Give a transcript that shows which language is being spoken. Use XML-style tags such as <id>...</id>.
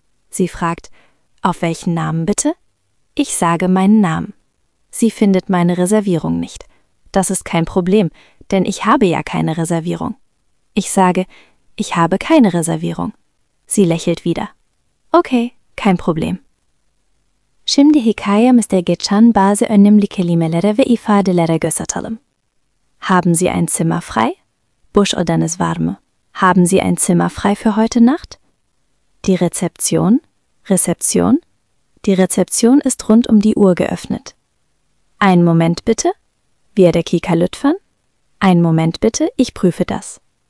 <de>Sie fragt, auf welchen Namen bitte? Ich sage meinen Namen. Sie findet meine Reservierung nicht. Das ist kein Problem, denn ich habe ja keine Reservierung. Ich sage, ich habe keine Reservierung. Sie lächelt wieder. Okay, kein Problem.</de> <tr>Şimdi hikayemizde geçen bazı önemli kelimelere ve ifadelere göz atalım.</tr> <de>Haben Sie ein Zimmer frei?</de> <tr>Boş odanız var mı?</tr> <de>Haben Sie ein Zimmer frei für heute Nacht? Die Rezeption? Rezeption? Die Rezeption ist rund um die Uhr geöffnet. Ein Moment bitte.</de> <tr>Werde Kika lütfen?</tr> <de>Ein Moment bitte, ich prüfe das.</de>